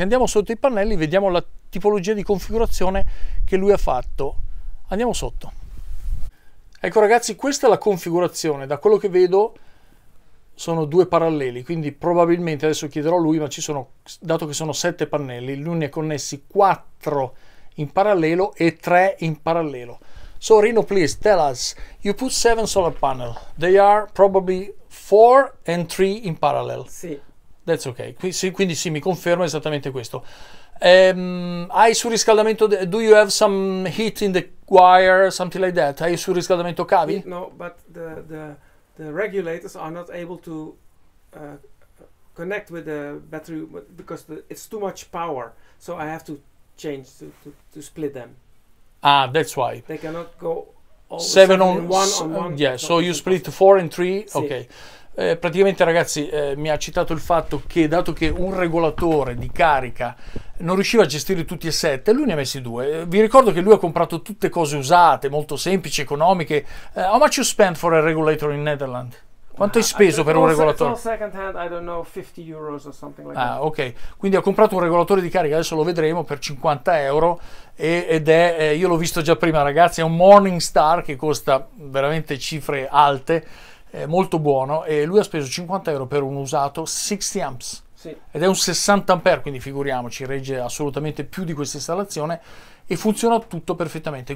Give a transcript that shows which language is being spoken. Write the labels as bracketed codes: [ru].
[it] Se andiamo sotto i pannelli, vediamo la tipologia di configurazione che lui ha fatto. Andiamo sotto. Ecco ragazzi, questa è la configurazione. Da quello che vedo sono due paralleli, quindi probabilmente, adesso chiederò a lui, ma ci sono, dato che sono 7 pannelli, lui ne ha connessi 4 in parallelo e 3 in parallelo. [en] So Rino, please tell us, you put 7 solar panel, they are probably 4 and 3 in parallel. [it] Sì. [en] That's okay. [it] Quindi sì, mi conferma esattamente questo. Hai surriscaldamento, [en] do you have some heat in the wire, something like that? [it] Hai surriscaldamento cavi? [en] No, but the regulators are not able to connect with the battery because it's too much power, so I have to change to split them. Ah, that's why they cannot go all seven on one. Yeah, so you split 4 and 3. [it] Sì. Ok, praticamente ragazzi, mi ha citato il fatto che, dato che un regolatore di carica non riusciva a gestire tutti e 7, lui ne ha messi 2. Vi ricordo che lui ha comprato tutte cose usate, molto semplici, economiche. [en] How much you spent for a regulator in Netherlands? [it] Quanto hai speso per un regolatore? [en] It's all second hand, I don't know, 50 euros or something like that. [it] Ok, quindi ha comprato un regolatore di carica, adesso lo vedremo, per 50 euro. Ed è, io l'ho visto già prima ragazzi, è un Morningstar che costa veramente cifre alte, è molto buono, e lui ha speso 50 euro per un usato 60 amps. Sì. Ed è un 60 ampere, quindi figuriamoci, regge assolutamente più di questa installazione e funziona tutto perfettamente.